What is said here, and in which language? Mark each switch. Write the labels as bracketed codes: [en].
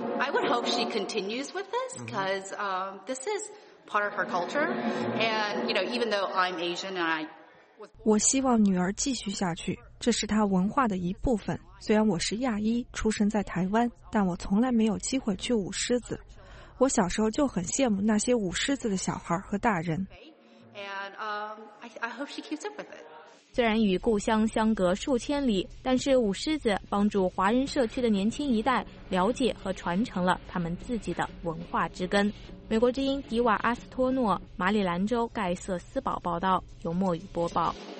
[en] I would hope she continues with this because this is part of her culture. And you know, even though I'm Asian and I, [zh] 我希望女儿继续下去，这是她文化的一部分。虽然我是亚裔，出生在台湾，但我从来没有机会去舞狮子。我小时候就很羡慕那些舞狮子的小孩和大人。 [en] And I hope she keeps up with it. [zh] 虽然与故乡相隔数千里，但是舞狮子帮助华人社区的年轻一代了解和传承了他们自己的文化之根。美国之音迪瓦阿斯托诺马里兰州盖瑟斯堡报道，由墨雨播报。